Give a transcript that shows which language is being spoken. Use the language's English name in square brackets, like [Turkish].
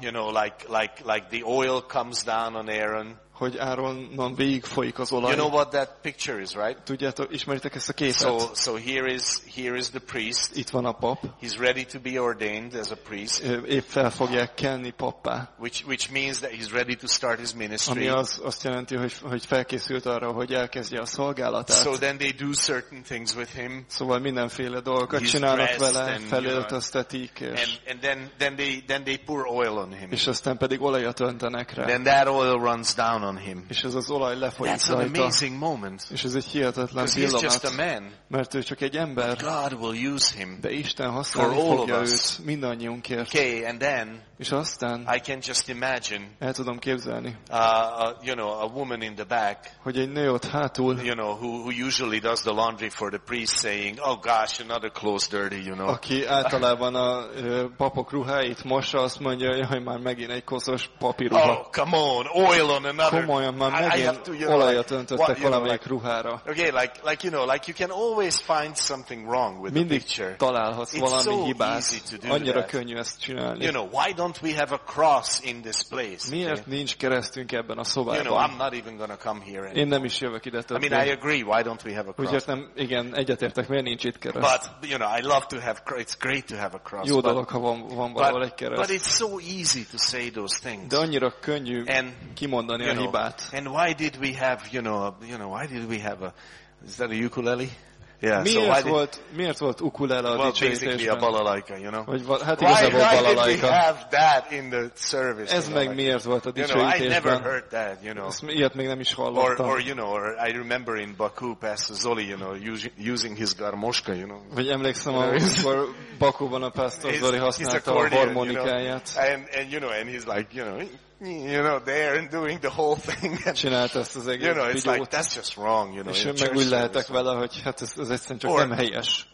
[English] You know, like the oil comes down on Aaron. [Hungarian] Hogy Áronon végig folyik az olaj. [English] You know what that picture is, right? [Hungarian] Tudjátok, ismeritek ezt a képet? [English] So here is the priest. [Hungarian] Itt van a pap. [English] He's ready to be ordained as a priest. [Hungarian] Épp fel fogják kelni pappá. [English] Which means that he's ready to start his ministry. [Hungarian] Ami azt jelenti, hogy felkészült arra, hogy elkezdje a szolgálatát. [English] So then they do certain things with him. [Hungarian] Szóval mindenféle dolgokat csinálnak vele, felöltöztetik. [English] And then they pour oil on him. [Hungarian] És aztán pedig olajat öntenek rá. [English] Then that oil runs down on him. [Hungarian] És ez az olaj lefolyik rajta. [English] That's an amazing moment. [Hungarian] És ez egy hihetetlen pillanat. [English] He's just a man. [Hungarian] Mert ő csak egy ember. [English] But God will use him. [Hungarian] De Isten használni fogja őt mindannyiunkért. [English] Okay, and then. [Hungarian] És aztán. [English] I can just imagine. [Hungarian] El tudom képzelni. [English] A woman in the back. [Hungarian] Hogy egy nő ott hátul. [English] You know, who usually does the laundry for the priest, saying, oh gosh, another clothes dirty, you know. [Hungarian] Aki általában a papok ruháit mossa, azt mondja, jaj, már megint egy koszos papi ruha. [English] Oh, come on, oil on another. [Hungarian] Komolyan, már megint olajat öntöttek valamelyik ruhára. [English] Okay, like you can always find something wrong with [Hungarian] mindig [English] the picture. [Hungarian] Találhatsz valami [English] so [Hungarian] hibát. Annyira könnyű ezt csinálni. [English] You know, why don't we have a cross in this place? [Hungarian] Miért nincs keresztünk ebben a szobában? [English] You know, I'm not even gonna come here anymore. [Hungarian] Én nem is jövök ide többé. [English] I mean, I agree. Why don't we have a cross? [Hungarian] Úgyhogy nem, igen, egyetértek, miért nincs itt kereszt? [English] But you know, I love to have. It's great to have a cross. [Hungarian] Jó dolog, ha van valahol egy kereszt. [English] But it's so easy to say those things. [Hungarian] De annyira könnyű kimondani a hibát. [English] And why did we have, why did we have a? Is that a ukulele? [Hungarian] Yeah, miért volt ukulele a dicsőítésben? [English] Basically a balalaika, you know. [Hungarian] Hát igazából balalaika. [English] Why did we have that in the service? [Hungarian] Ez meg miért volt a dicsőítésben? [English] You know, I never heard that, you know. [Hungarian] Ilyet még nem is hallottam. [English] Or I remember in Baku, Pastor Zoli, using his garmoska, you know. [Hungarian] Vagy emlékszem, amikor Bakuban a Pastor Zoli használta a harmonikáját. [English] And he's like, there and doing the whole thing. [Hungarian] Csinálta ezt az egész videót. [English] It's like, that's just wrong, you know. [Hungarian] És meg úgy lehetek vele, hogy hát ez egyszerűen csak nem helyes.